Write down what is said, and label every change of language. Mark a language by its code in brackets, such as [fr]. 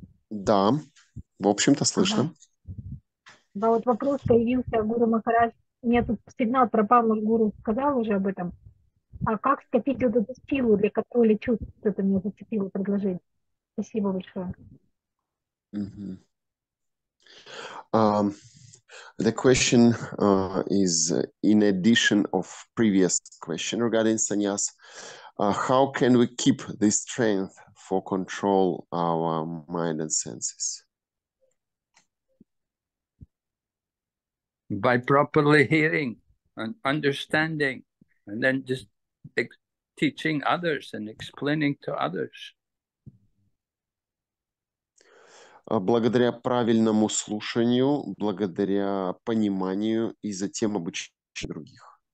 [ru] Да, в общем-то, слышно. Да, вот вопрос появился, Гуру Махарадж. Мне тут сигнал пропал, но Гуру сказал уже об этом. А как скопить вот эту силу для контроля чувств? Это мне зацепило предложение. Спасибо большое. [en] The question is in addition of previous question regarding sannyas. How can we keep this strength for control our mind and senses? By properly hearing and understanding, and then just teaching others and explaining to others. [ru] Благодаря правильному слушанию, благодаря пониманию и затем обучению других.